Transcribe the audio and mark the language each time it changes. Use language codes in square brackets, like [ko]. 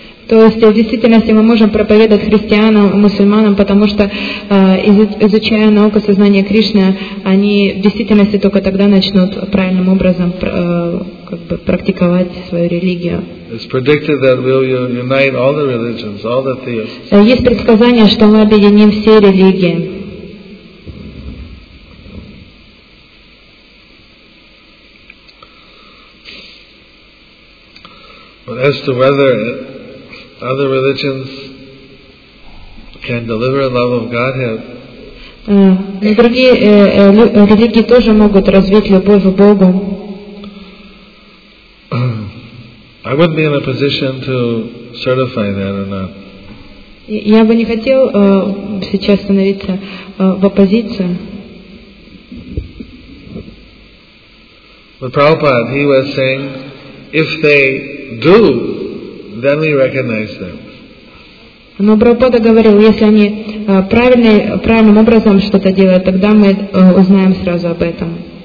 [ru] То есть в действительности мы можем проповедовать христианам, мусульманам, потому что изучая науку сознания Кришны, они в действительности только тогда начнут правильным образом как бы практиковать свою религию. [en] It's predicted that we'll unite all the religions, all the theists. [ru] Есть предсказание, что мы объединим все религии. [en] But as to whether other religions can deliver love of Godhead. [ru] Другие религии тоже могут развить любовь к Богу. [en] I wouldn't be in a position to certify that or not. [ru] Я бы не хотел сейчас становиться в оппозицию. [en] But Prabhupada, he was saying, if they do, then we recognize them. [ru] Но Прабхупада говорил, если они правильным образом что-то делают, тогда мы узнаем сразу об этом.